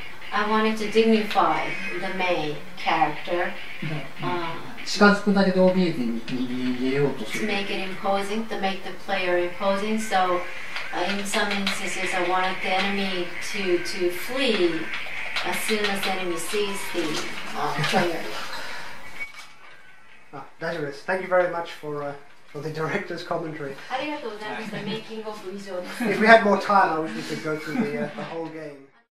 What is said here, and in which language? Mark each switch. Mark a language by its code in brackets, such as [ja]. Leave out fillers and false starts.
[en] I wanted to dignify the main character. [ja] 近づくだけで怯えて逃げようとする。 [en] To make it imposing, to make the player imposing. So, in some instances, I wanted the enemy to flee as soon as the enemy sees the player. [ja] Ah, 大丈夫です。 [en] Thank you very much for the director's commentary. [ja] ありがとうございました。メイキングオフ以上です。 [en] If we had more time, I wish we could go through the whole game.